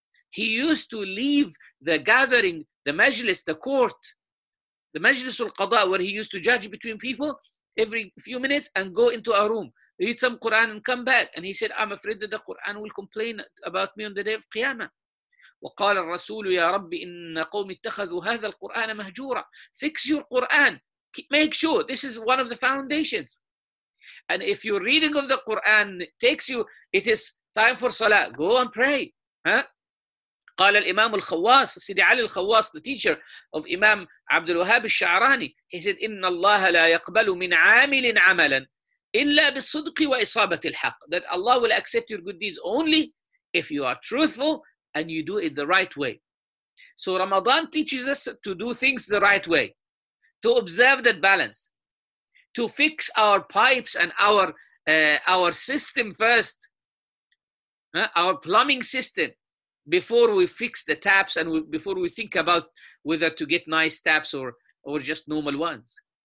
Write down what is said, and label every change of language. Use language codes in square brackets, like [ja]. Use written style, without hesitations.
[en] He used to leave the gathering, the majlis, the court, the majlis al-qada, where he used to judge between people every few minutes, and go into a room, read some Quran and come back. And he said, I'm afraid that the Quran will complain about me on the day of Qiyamah. [ar] وقال الرسول يا ربي إن قوم اتخذوا هذا القرآن مهجورا. [en] Fix your Quran. Make sure this is one of the foundations. And if your reading of the Quran takes you, it is time for salah. Go and pray. [ar] قال الإمام الخواص, سيدي علي الخواص, [en] the teacher of Imam [ar] عبد الوهاب الشعراني, [en] he said, [ar] إن الله لا يقبل من عامل عملا إلا بالصدق وإصابة الحق. [en] That Allah will accept your good deeds only if you are truthful and you do it the right way. So Ramadan teaches us to do things the right way, to observe that balance, to fix our pipes and our system first, our plumbing system, before we fix the taps and before we think about whether to get nice taps or just normal ones.